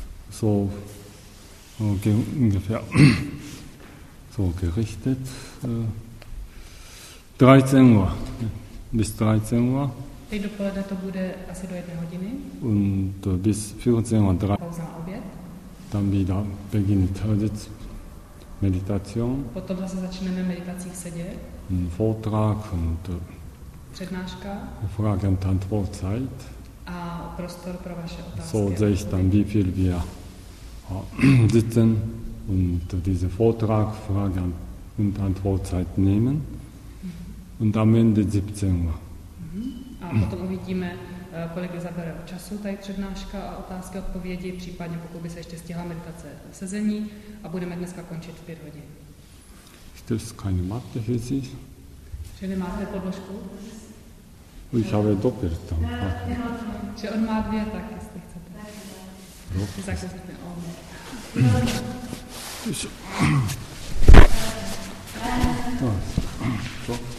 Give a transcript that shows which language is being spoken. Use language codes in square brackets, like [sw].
[de] So okay, ungefähr so gerichtet. 13 Uhr. Bis 13 Uhr. [cs] Teď dopoledne to bude asi do 1 hodiny. [de] Und bis 14 Uhr. [cs] Pauza na oběd. [de] Dann wieder beginnt Meditation. [cs] Potom zase začneme meditací v sedě. [de] Vortrag und [cs] přednáška. [de] Frage und Antwort Zeit. [cs] A prostor pro vaše otázky. [de] So sehe ich dann, wie viel wir sitzen und diese Vortrag, Frage und Antwort Zeit nehmen. Und am Ende 17 Uhr. [cs] A potom uvidíme, kolik zabere času tady přednáška a otázky, odpovědi, případně pokud by se ještě stihla meditace v sezení a budeme dneska končit v 5 hodin. [de] Gibt es keine Matte für Sie? Schöne Matte, Podloschku. Ich habe doppelt. Ja, genau. Schön, Matte, wie er tak ist. Ich sage das nicht mehr. Oh, nein. Ich. Da. So.